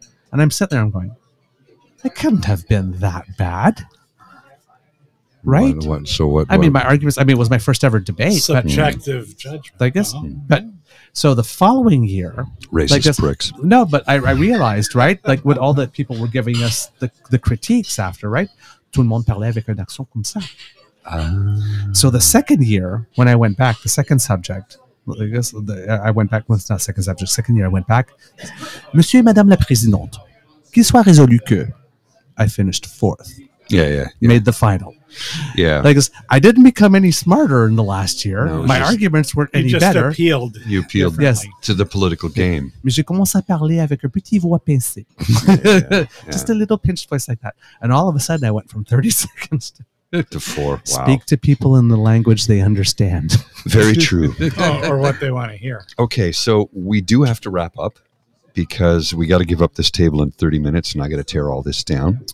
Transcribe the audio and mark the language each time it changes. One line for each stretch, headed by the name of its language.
English: And I'm sitting there, I'm going, it couldn't have been that bad. Right. I mean, it was my first ever debate. Subjective judgment. I guess. Uh-huh. But so the following year. Racist like this, pricks. No, but I realized, right? Like what all the people were giving us the critiques after, right?
French: Tout le monde parlait avec un accent comme ça.
English: So the second year, when I went back, the second subject, I guess I went back, well, it's not second subject, second year, I went back.
French: Monsieur et Madame la Présidente, qu'il soit résolu que.
English: I finished fourth. Yeah. Made the final. Yeah. Like, I didn't become any smarter in the last year. No, my arguments weren't any better. You appealed to the political game.
French: Mais j'ai commencé à parler avec une petite voix pincée.
English: Yeah. Just a little pinched voice like that. And all of a sudden, I went from 30 seconds to four. Wow. Speak to people in the language they understand. Very true. or what they want to hear. Okay, so we do have to wrap up. Because we got to give up this table in 30 minutes and I got to tear all this down.